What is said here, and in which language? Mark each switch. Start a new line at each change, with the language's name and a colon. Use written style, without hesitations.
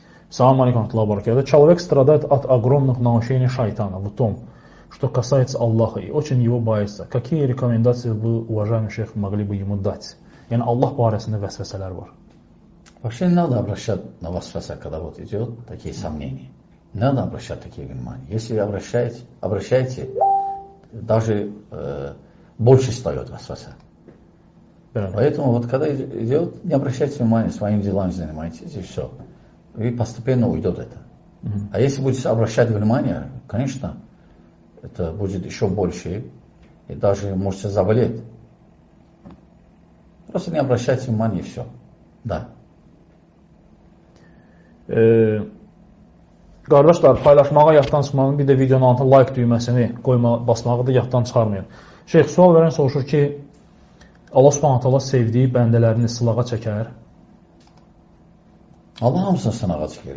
Russian: Salам алейкум, Аллах баракату. Человек страдает от огромных наущений шайтана в том, что касается Аллаха, и очень его боится. Какие рекомендации вы, уважаемый шейх, могли бы ему дать?
Azerbaijani: Yani Allah barəsində vəsvəsələr var.
Russian: Вообще, надо обращать на вәсвәса, когда вот идет такие сомнения. Надо обращать такие внимания. Если обращаете, даже больше встает вәсвәса. Поэтому вот когда идет, не обращайте внимания, своими делами занимайтесь, и все. И постепенно уйдет это. А если будете обращать внимание, конечно, это будет еще больше. И даже можете заболеть. Просто не обращайте внимания, и все. Да.
Azerbaijani: Qardaşlar, paylaşmağa yaddan çıxmağın bir də videonun altına like düyməsini qoyma, basmağı da yaddan çıxarmayın. Şeyx, sual verən soruşur ki, Allah subhanahu taala sevdiyi bəndələrini sınağa çəkər. Allah hamısını sınağa çəkir.